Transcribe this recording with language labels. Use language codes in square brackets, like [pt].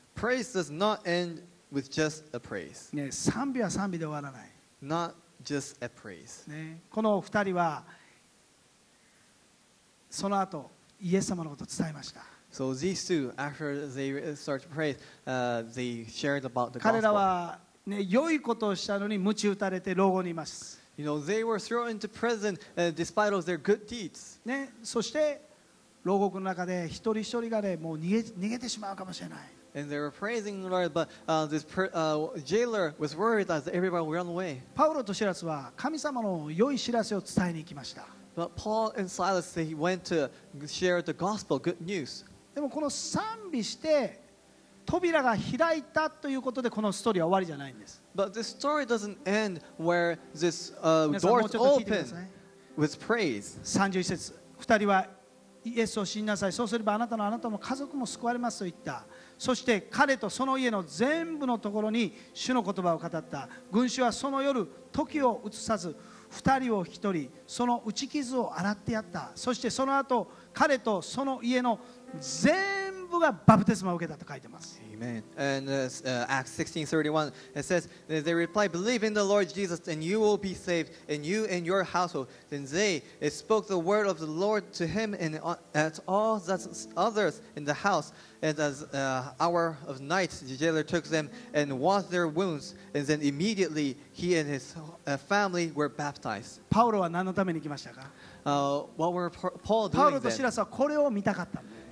[en] Praise does not end with just a praise. [ja] ね、賛美は賛美で終わらない。 [en] Not just a praise. [ja] ね、この二人はその後イエス様のことを伝えました。 [en] So these two, after they start to praise, they shared about the gospel. [ja] 彼らはね、良いことをしたのに鞭打たれて牢獄にいます。 [en] You know, they were thrown into prison, despite of their good deeds. [ja] ね、そして牢獄の中で一人一人がね、もう逃げてしまうかもしれない。 [en] And they were praising the Lord, but jailer was worried as everybody ran away. [ja] Paul and Silas は神様の良い知らせを伝えに行きました。 [en] But Paul and Silas they went to share the gospel, good news. [ja] でもこの賛美して扉が開いたということでこのストーリーは終わりじゃないんです。 [en] But this story doesn't end where this door opened with praise. [ja] 31節、二人はイエスを信じなさい。そうすればあなたも家族も救われますと言った。そして彼とその家の全部のところに主の言葉を語った。群衆はその夜時を移さず二人を引き取りその打ち傷を洗ってやった。そしてその後彼とその家の全部がバプテスマを受けたと書いてます。 [en] Amen. And Acts 16:31 it says they replied believe in the Lord Jesus and you will be saved and you and your household. Then they spoke the word of the Lord to him and at all the others in the houseAnd as hour of night, the jailer took them and washed their wounds, and then immediately he and his family were baptized. [ja] Paul は何のために来ましたか？ [en] What were Paul doing? [ja] Paul とシラスはこれを見たかった。